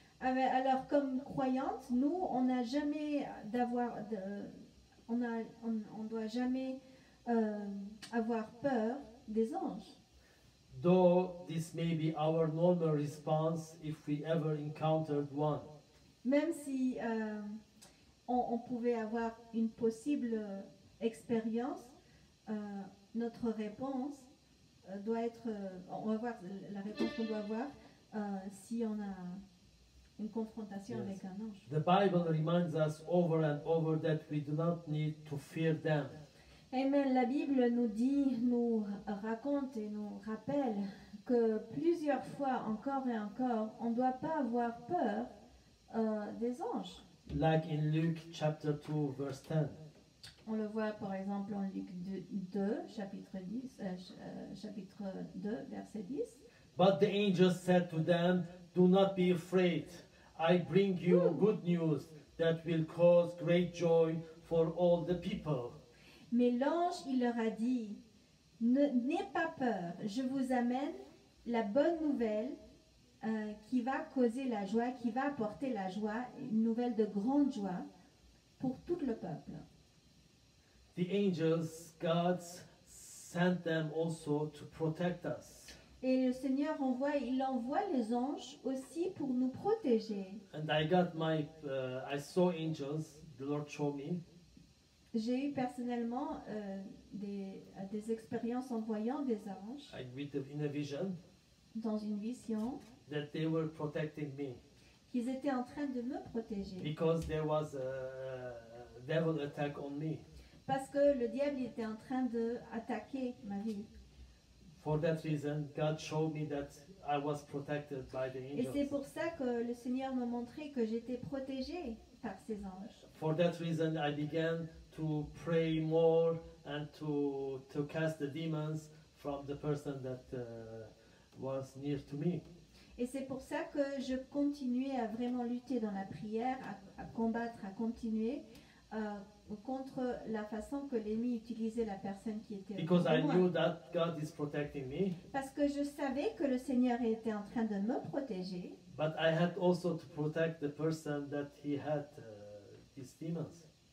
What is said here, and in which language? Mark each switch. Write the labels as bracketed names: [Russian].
[French] Alors, comme croyantes, nous, on n'a jamais d'avoir, de, on a, on doit jamais avoir peur des anges. [English] Though this may be our normal response if we ever encountered one. [French] Même si on pouvait avoir une possible expérience Notre réponse doit être, on va voir la réponse qu'on doit avoir si on a une confrontation avec un ange. [English] The Bible reminds us over and over that we do not need to fear them. Amen. [French] La Bible nous dit, nous raconte et nous rappelle que plusieurs fois, encore et encore, on ne doit pas avoir peur des anges. [English] Like in Luke chapter 2, verse 10. [French] On le voit par exemple en Luc 2, chapitre 2, verset 10. [English] But the angel said to them, do not be afraid. I bring you good news that will cause great joy for all the people. [French] Mais l'ange, il leur a dit, n'ayez pas peur, je vous amène la bonne nouvelle qui va causer la joie, qui va apporter la joie, une nouvelle de grande joie pour tout le peuple. [English] The angels, God sent them also to protect us. [French] Et le Seigneur envoie, il envoie les anges aussi pour nous protéger. [English] And I got my, I saw angels, the Lord showed me. [French] J'ai eu personnellement des expériences en voyant des anges. [English] I read them in a vision. [French] Dans une vision. [English] That they were protecting me. [French] Qu'ils étaient en train de me protéger. [English] Because there was a devil attack on me. [French] Parce que le diable était en train de attaquer ma vie. [English] For that reason, God showed me that I was protected by the angels. [French] Et c'est pour ça que le Seigneur m'a montré que j'étais protégée par ces anges. [English] For that reason, I began to pray more and to cast the demons from the person that was near to me. [French] Et c'est pour ça que je continuais à vraiment lutter dans la prière, à combattre, à continuer contre la façon que l'ennemi utilisait la personne qui était [English] Because [French] contre [English] I [French] moi. [English] Knew that God is protecting me. [French] Parce que je savais que le Seigneur était en train de me protéger. [English] But I had also to protect the person that he had these demons.